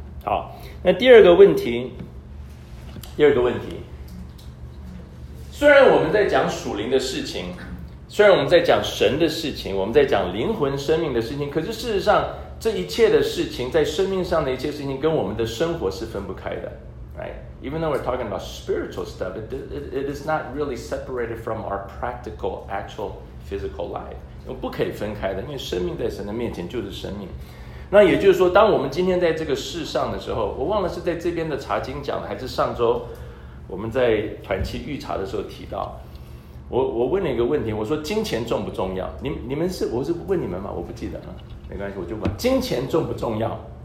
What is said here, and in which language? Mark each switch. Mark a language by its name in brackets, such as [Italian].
[Chinese] 好，那第二个问题，虽然我们在讲属灵的事情，虽然我们在讲神的事情，我们在讲灵魂生命的事情，可是事实上这一切的事情，在生命上的一切事情跟我们的生活是分不开的， right? [English] Even though we're talking about spiritual stuff, it is not really separated from our practical actual physical life. [Chinese] 不可以分开的，因为生命在神的面前就是生命。那也就是说，当我们今天在这个世上的时候，我忘了是在这边的查经讲，还是上周我们在团契预查的时候提到。我问了一个问题，我说金钱重不重要？你们是，我是问你们嘛，我不记得了，没关系，我就问金钱重不重要？